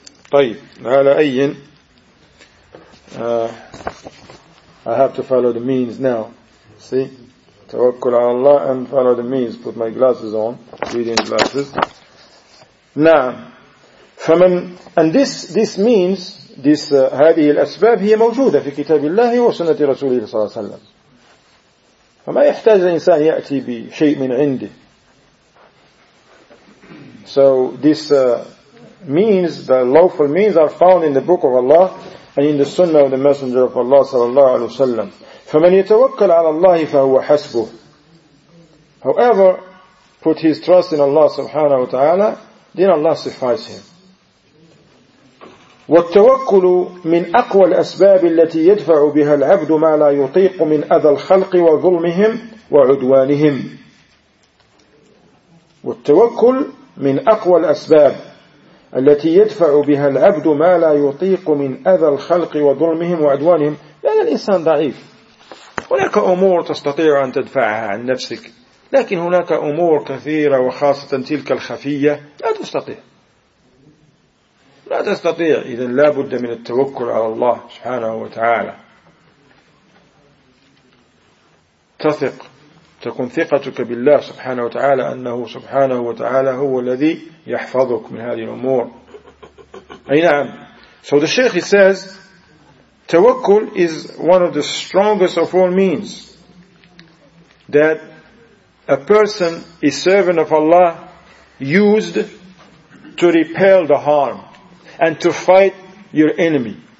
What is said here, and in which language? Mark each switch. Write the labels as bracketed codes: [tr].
[ar] طيب على أي [en] I have to follow the means now. See, [ar] توكل على الله [en] and follow the means. Put my glasses on, reading glasses. نعم. [ar] فمن [en] and this means this [ar] هذه الأسباب هي موجودة في كتاب الله وسنة رسوله صلى الله عليه وسلم. فما يحتاج الإنسان يأتي بشيء من عنده. [en] So this means the lawful means are found in the book of Allah and in the Sunnah of the Messenger of Allah صلى الله عليه وسلم. [ar] فمن يتوكل على الله فهو حسبه. [en] However, put his trust in Allah subhanahu wa ta'ala, then Allah suffices him. [ar] والتوكل من أقوى الأسباب التي يدفع بها العبد ما لا يطيق من أذى الخلق وظلمهم وعدوانهم. والتوكل من أقوى الأسباب التي يدفع بها العبد ما لا يطيق من أذى الخلق وظلمهم وعدوانهم. لأن الإنسان ضعيف. هناك أمور تستطيع أن تدفعها عن نفسك، لكن هناك أمور كثيرة وخاصة تلك الخفية لا تستطيع. لا تستطيع، إذن لا بد من التوكل على الله سبحانه وتعالى. تثق، تكون ثقتك بالله سبحانه وتعالى أنه سبحانه وتعالى هو الذي يحفظك من هذه الأمور. أي نعم. [en] So the Sheikh says, tawakkul is one of the strongest of all means that a person, a servant of Allah, used to repel the harm and to fight your enemy.